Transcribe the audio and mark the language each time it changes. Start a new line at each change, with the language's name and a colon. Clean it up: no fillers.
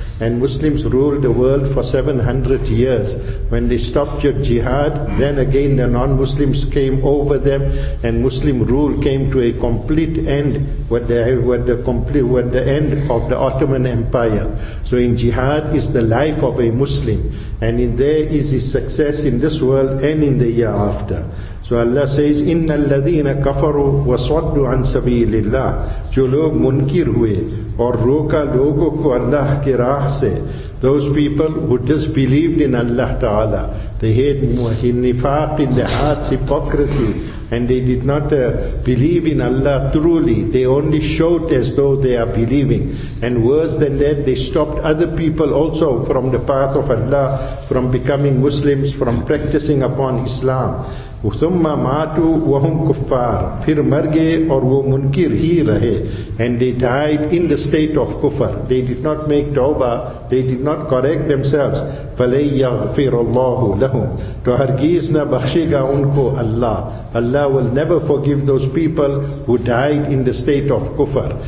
English: And Muslims ruled the world for 700 years. When they stopped your jihad, then again the non-Muslims came over them, and Muslim rule came to a complete end with the end of the Ottoman Empire. So in jihad is the life of a Muslim, and in there is his success in this world and in the year after. So Allah says,
Arabic: إِنَّ الَّذِينَ كَفَرُوا وَصَدُّوا عَنْ سَبِيلِ اللَّهِ
Urdu: جو لوگ منکر ہوئے اور روکا لوگوں کو اللہ کی راہ سے.
English: Those people who disbelieved in Allah Ta'ala, they had nifaq in their hearts, hypocrisy, and they did not believe in Allah truly. They only showed as though they are believing. And worse than that, they stopped other people also from the path of Allah, from becoming Muslims, from practicing upon Islam.
Arabic: ثُمَّ مَاتُوا وَهُمْ كُفَّارُ
Urdu: پھر مر گئے اور وہ منکر ہی رہے.
English: And they died in the state of kufr. They did not make tawbah. They did not correct themselves.
Arabic: فَلَيْ يَغْفِرُ اللَّهُ لَهُمْ
Urdu: تو ہرگیز نہ بخشے گا ان کو اللہ.
English: Allah will never forgive those people who died in the state of kufr.